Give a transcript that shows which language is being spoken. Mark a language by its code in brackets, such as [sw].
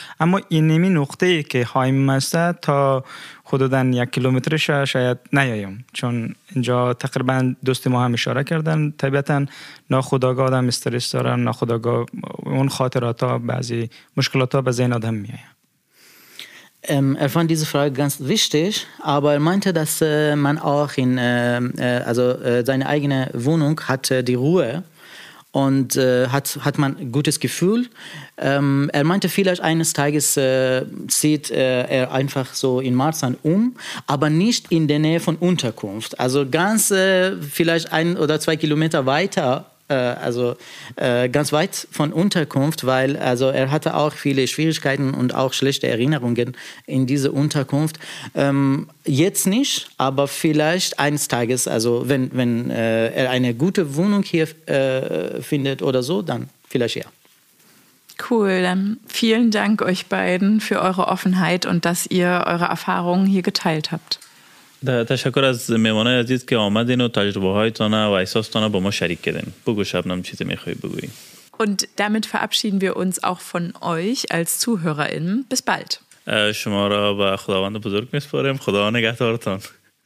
[fa] اما اینمی نقطه ای که هایم است تا حدوداً 1 کیلومتر شاید نیایم، چون اینجا تقریباً دوست ما هم اشاره کردن، طبیعتاً ناخودآگاه آدم استرس دارن، ناخودآگاه اون خاطرات ها بعضی مشکلات ها به ذهن آدم میاد. [de] Er fand diese Frage ganz wichtig, aber er meinte, dass man auch in seine eigene Wohnung hatte die Ruhe und hat man gutes Gefühl. Er meinte, vielleicht eines Tages zieht er einfach so in Marzahn um, aber nicht in der Nähe von Unterkunft. Also ganz vielleicht 1 oder 2 Kilometer weiter. Ganz weit von Unterkunft, weil also er hatte auch viele Schwierigkeiten und auch schlechte Erinnerungen in diese Unterkunft. Jetzt nicht, aber vielleicht eines Tages, also wenn er eine gute Wohnung hier findet oder so, dann vielleicht ja. Cool, dann vielen Dank euch beiden für eure Offenheit und dass ihr eure Erfahrungen hier geteilt habt. [fa] تشکر از مهمانای عزیز که آمدین و تجربه هایتان و احساستان با ما شریک کردین. بگو شبنم چیزی میخوایی بگویی. [de] Und damit verabschieden wir uns auch von euch als ZuhörerInnen. Bis bald. [fa] شما را به خداوند بزرگ میسپاریم. خدا نگهدارتان.